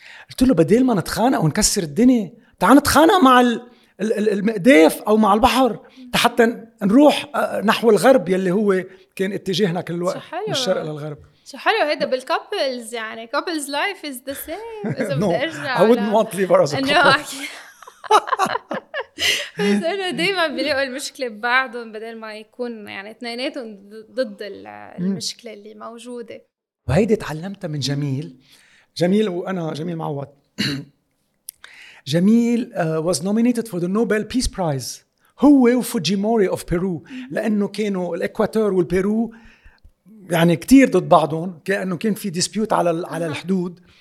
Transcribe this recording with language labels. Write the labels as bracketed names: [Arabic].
[Arabic] قلت له بدل ما نتخانق ونكسر الدنيا تعال نتخانق مع المقداف او مع البحر حتى نروح نحو الغرب يلي هو كان اتجاهنا كل الوقت من الشرق للغرب. شو حلو هيدا بالكابلز يعني كابلز لايف از ذا سيم. اذا بدي ارجع [English] I wouldn't want to leave as a couple. [Arabic] بس أنا دايما بلاقوا المشكلة ببعضهم بدل ما يكون يعني اتنيناتهم ضد المشكلة اللي موجودة. وهيدي تعلمتها من جميل وأنا جميل معوض. جميل [English] was nominated for the Nobel Peace Prize [Arabic] هو وفوجيموري [English] of Peru [Arabic] لأنه كانوا الإكواتور والبيرو يعني كتير ضد بعضهم كأنه كان في ديسبيوت على الحدود.